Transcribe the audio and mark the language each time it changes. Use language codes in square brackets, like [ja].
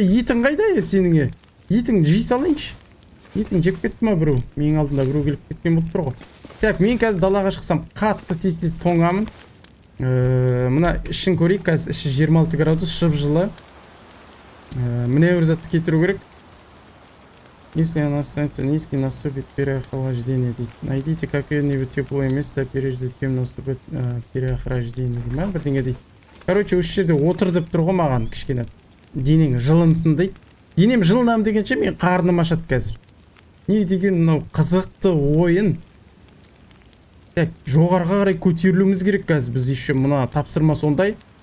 [kk] Етің қайда е сеніңе? Етің жей салайыншы. Етің жеп кетті ма біреу? Менің алдымда біреу келіп кеткен болып тұр ғой. Так, мен қазір далаға шықсам қатты тез-тез тоңамын. Мына ішін көрейік, қазір іші 26 градус, шып жылы. Міне бір затты кетіру керек. [ru] Если она останется низкой, наступит переохлаждение. Найдите какое-нибудь теплое место, прежде чем наступит переохлаждение. [kk] Ма, бірдеңе дейді. Короче, осы жерде отыр деп тұр ғой маған кішкене. Денең жылынсын дейді. Денем жылынам дегенше мен қарным ашады қазір. Не деген мынау қызықты ойын. Так, жоғарыға қарай көтерілуіміз керек қазір. Біз еще мына тапсырма сондай.